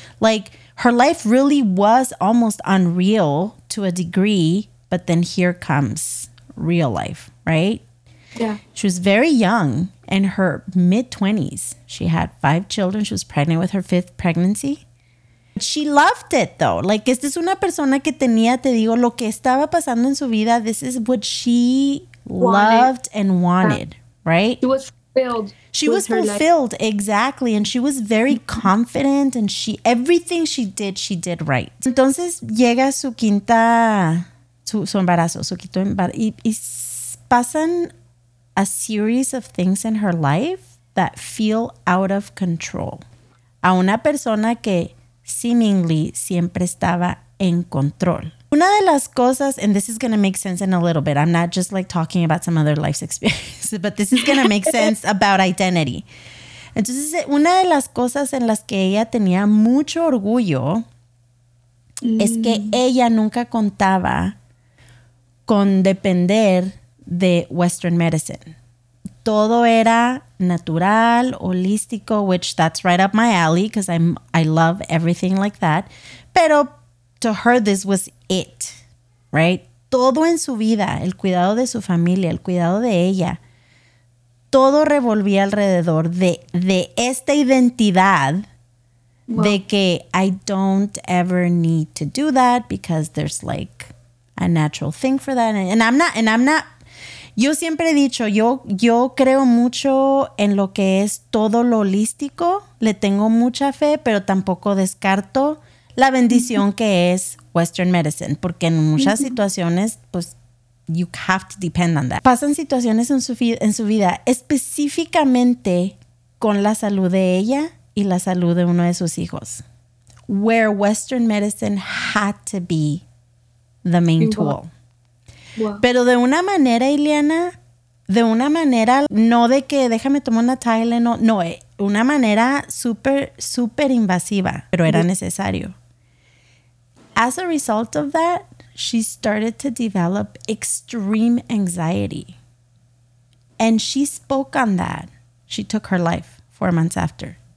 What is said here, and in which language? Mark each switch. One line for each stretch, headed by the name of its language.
English: Like her life really was almost unreal to a degree, but then here comes real life, right? Yeah. She was very young, in her mid-20s. She had 5 children. She was pregnant with her 5th pregnancy. She loved it, though.
Spanish: Like, esta es una persona que tenía, te digo, lo que estaba pasando en su vida.
English: This is what she loved and wanted, right? She was fulfilled. She was fulfilled, exactly. And she was very confident. And everything she did right.
Spanish: Entonces, llega su quinta, su embarazo, su quinto embarazo. Y pasan
English: a series of things in her life that feel out of control.
Spanish: A una persona que seemingly siempre estaba en control. Una de las cosas,
English: and this is going to make sense in a little bit. I'm not just like talking about some other life's experience, but this is going to make sense about identity.
Spanish: Entonces, una de las cosas en las que ella tenía mucho orgullo es que ella nunca contaba con depender de Western medicine. Todo era natural, holístico,
English: which that's right up my alley because I love everything like that.
Spanish: Pero
English: to her, this was it, right?
Spanish: Todo en su vida, el cuidado de su familia, el cuidado de ella, todo revolvía alrededor de esta identidad.
English: Wow.
Spanish: De que
English: I don't ever need to do that because there's like a natural thing for that. And I'm not.
Spanish: Yo siempre he dicho, yo creo mucho en lo que es todo lo holístico. Le tengo mucha fe, pero tampoco descarto la bendición que es Western medicine. Porque en muchas situaciones, pues,
English: you have to depend on that.
Spanish: Pasan situaciones en su vida, específicamente con la salud de ella y la salud de uno de sus hijos.
English: Where Western medicine had to be the main tool. Wow.
Spanish: Pero de una manera, Iliana, de una manera, no de que déjame tomar una Tylenol, no, una manera súper, súper invasiva, pero era necesario.
English: As a result of that, she started to develop extreme anxiety. And she spoke on that. She took her life 4 months after.